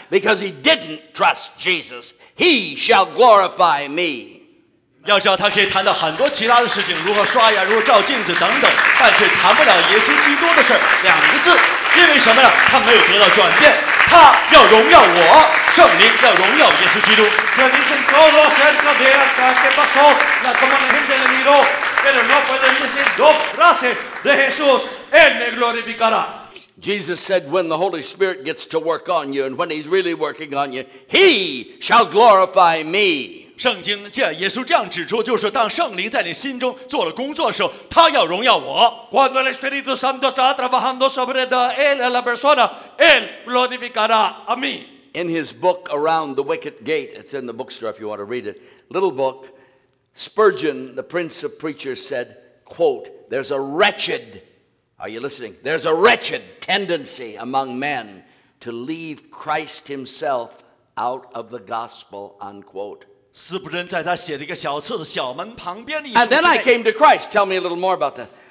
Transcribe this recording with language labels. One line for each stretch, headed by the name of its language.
English: Because he didn't trust Jesus. He shall glorify me.
Chinese: 要知道他可以谈到很多其他的事情，如何刷牙，如何照镜子等等，但却谈不了耶稣基督的事，两个字。因为什么呢？他没有得到转变，他要荣耀我，圣灵要荣耀耶稣基督。
Spanish: Se dicen todo acerca de hasta que pasó, la como la gente le miró, pero no puede decir dos frases de Jesús, él le glorificará.
English: Jesus said, "When the Holy Spirit gets to work on you, and when He's really working on you, He shall glorify Me."
Chinese: 圣经这耶稣这样指出，就是当圣灵在你心中做了工作的时候，他要荣耀我。
Spanish: Cuando el Espíritu Santo está trabajando sobre él a la persona, él glorificará a mí.
English: In his book Around the Wicket Gate, it's in the bookstore if you want to read it, little book, Spurgeon, the Prince of Preachers, said, quote, "There's a wretched." Are you listening? There's a wretched tendency among men to leave Christ Himself out of the gospel, unquote.
Chinese: 斯普顿在他写的一个小册子《小门》旁边的一书。
English: And then I came to Christ. Tell me a little more about that.